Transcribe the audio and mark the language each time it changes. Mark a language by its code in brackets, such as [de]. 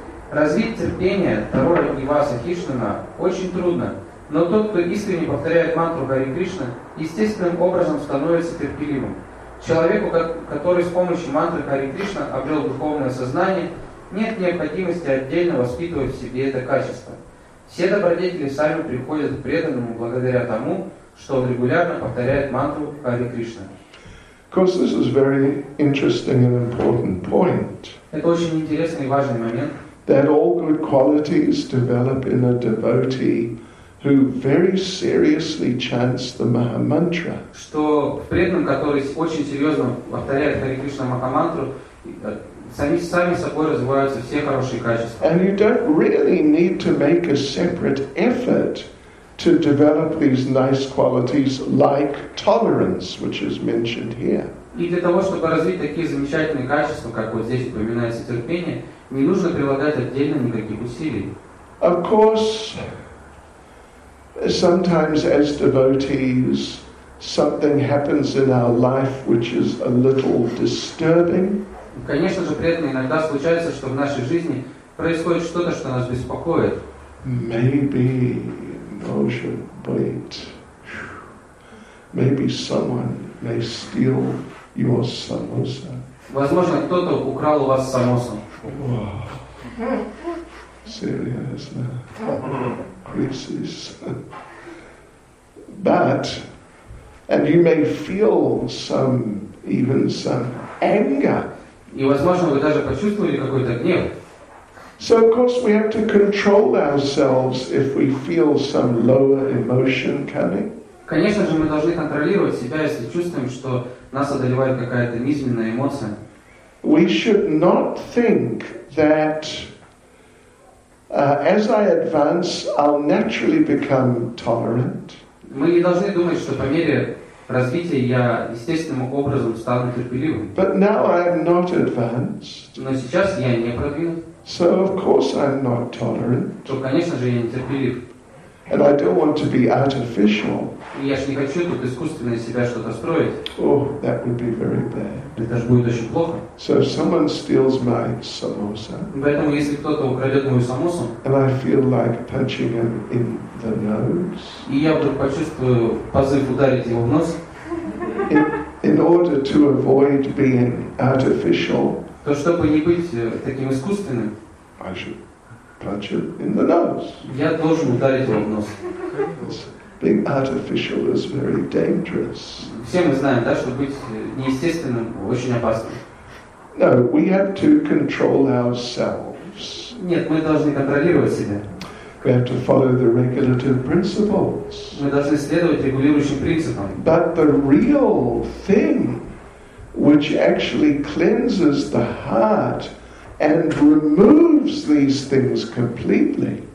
[ru] Развить терпение Тарора Иваса Хишнана очень трудно, но тот, кто искренне повторяет мантру Хари Кришна, естественным образом становится терпеливым. Человеку, который с помощью мантры Хари Кришна обрел духовное сознание, нет необходимости отдельно воспитывать в себе это качество. Все добродетели сами приходят к преданному благодаря тому, что он регулярно повторяет мантру Хари Кришна. [en] Of course, this is a very interesting and important point. [ru] Это очень интересный и важный момент. [en] That all good qualities develop in a devotee who very seriously chants the Maha Mantra. [ru] Что в преданном, который очень серьезно повторяет Хари Кришна Маха Мантру, сами собой развиваются все хорошие качества. [en] And you don't really need to make a separate effort to develop these nice qualities like tolerance, which is mentioned here. [ru] И для того, чтобы развить такие замечательные качества, как вот здесь упоминается терпение, не нужно прилагать отдельно никаких усилий. [en] Of course, sometimes as devotees, something happens in our life which is a little disturbing. [ru] Конечно же, преданно иногда случается, что в нашей жизни происходит что-то, что нас беспокоит. [en] Maybe, motion, wait. Maybe someone may steal your samosa. [ru] Возможно, кто-то украл у вас самосу. [en] Seriously, crisis. But, and you may feel some, even some anger. [ru] И возможно, вы даже почувствовали какой-то гнев. [en] So of course we have to control ourselves if we feel some lower emotion coming. [ru] Конечно же, мы должны контролировать себя, если чувствуем, что нас одолевает какая-то низменная эмоция. [en] We should not think that as I advance, I'll naturally become tolerant. [ru] Мы не должны думать, что по мере развития я естественным образом стану терпеливым. [en] But now I'm not advanced. [ru] Но сейчас я не продвинут. [en] So of course I'm not tolerant. [ru] То, конечно же, я не терпелив. [en] And I don't want to be artificial. [ru] Я ж не хочу тут искусственно из себя что-то строить. [en] Oh, that would be very bad. [ru] Это ж будет очень плохо. [en] So if someone steals my samosa. [ru] Поэтому если кто-то украдет мою самосу. [en] And I feel like punching him in the nose. [ru] И я вдруг почувствую позыв ударить его в нос. [en] In order to avoid being artificial. [ru] То чтобы не быть таким искусственным. [en] I should punch him in the nose. [ru] Я должен ударить его в нос. [en] Being artificial is very dangerous. [ru] Все мы знаем, да, что быть неестественным очень опасно. [en] No, we have to control ourselves. [ru] Нет, мы должны контролировать себя. [en] We have to follow the regulative principles. [ru] Мы должны следовать регулирующим принципам. [en] But the real thing which actually cleanses the heart and removes these things completely.